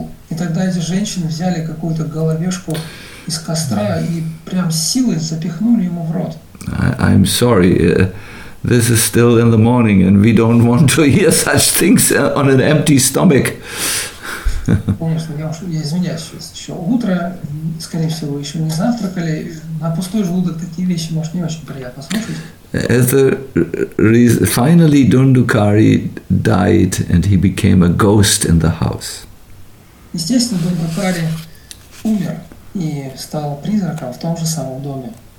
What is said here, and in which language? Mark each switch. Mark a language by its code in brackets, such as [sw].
[ru] И тогда эти женщины взяли какую-то головешку из костра и прям силой запихнули ему в рот. [en] I'm sorry, this is still in the morning and we don't want to hear such things on an empty stomach. [ru] Конечно, я извиняюсь, сейчас еще утро, скорее всего, еще не завтракали. На пустой желудок такие вещи, может, не очень приятно слушать. [en] As the finally Dundukari died and he became a ghost in the house. [ru] Естественно, Дундукари умер и стал призраком в том же самом доме.